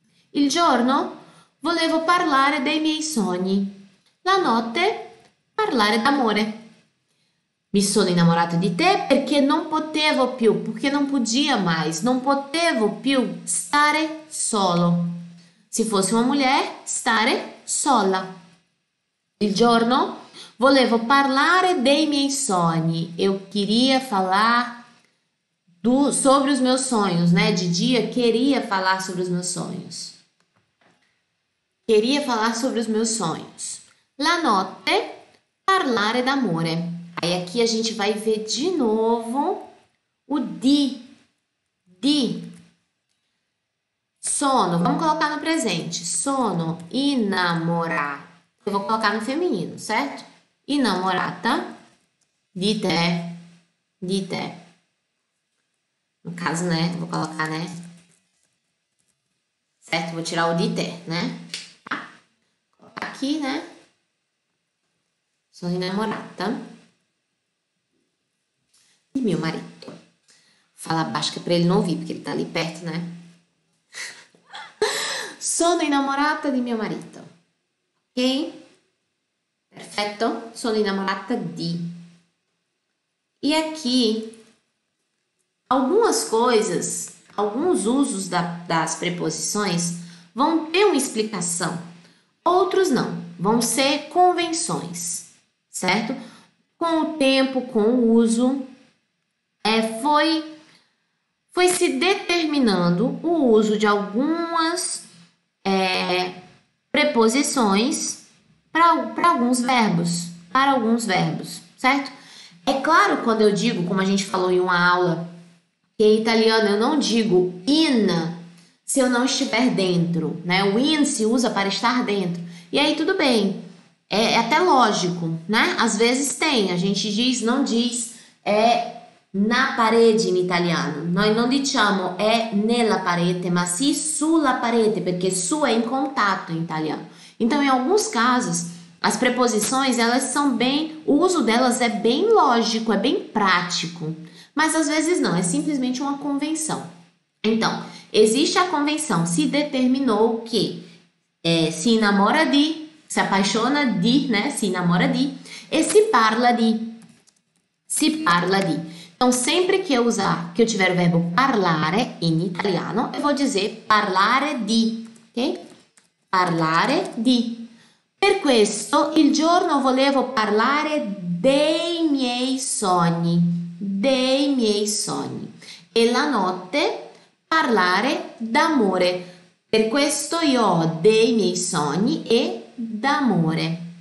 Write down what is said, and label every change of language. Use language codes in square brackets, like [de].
[it] Il giorno volevo parlare dei miei sogni. La notte parlare d'amore. Mi sono innamorata di te perché non potevo più, [pt] perché non podia mais, [it] non potevo più stare solo. [pt] Se fosse uma mulher, [it] stare sola. Il giorno volevo parlare dei miei sogni. [pt] Eu queria falar sobre os meus sonhos, né? De dia, queria falar sobre os meus sonhos. Queria falar sobre os meus sonhos. [it] La notte, parlare d'amore. [pt] Aí aqui a gente vai ver de novo o di. Sono, vamos colocar no presente. [it] Sono innamorata. [pt] Eu vou colocar no feminino, certo? [it] Innamorata di te. Di te. [pt] No caso, né? Vou colocar, né? Certo? Vou tirar o di te, né? Tá. Aqui, né? [it] Sono innamorata. [pt] Meu marido. Fala baixo que é pra ele não ouvir, porque ele tá ali perto, né? [it] Sono innamorata di mio marito. Ok? Perfetto. Sono innamorata di. [pt] E aqui, algumas coisas, alguns usos das preposições vão ter uma explicação, outros não. Vão ser convenções, certo? Com o tempo, com o uso. Foi se determinando o uso de algumas preposições para alguns verbos, para alguns verbos, certo? É claro, quando eu digo, como a gente falou em uma aula, que em italiano eu não digo in se eu não estiver dentro, né? O in se usa para estar dentro. E aí tudo bem, é até lógico, né? Às vezes tem, a gente diz, não diz, é na parede [it] in italiano. Noi non diciamo è nella parete, ma sì sulla parete, perché su è in contatto in italiano. [pt] Então, em alguns casos, as preposições, elas são bem, o uso delas é bem lógico, é bem prático, mas às vezes não, é simplesmente uma convenção. Então, existe a convenção, se determinou que [it] se innamora di, [pt] se apaixona di, né? [it] Se innamora di e si parla di. Si parla di. [pt] Então, sempre que eu usar, que eu tiver o verbo [it] parlare in italiano, [pt] eu vou dizer parlare di, ok? [it] Parlare di. Per questo, il giorno volevo parlare dei miei sogni. Dei miei sogni. E la notte, parlare d'amore. Per questo io ho dei miei sogni e d'amore.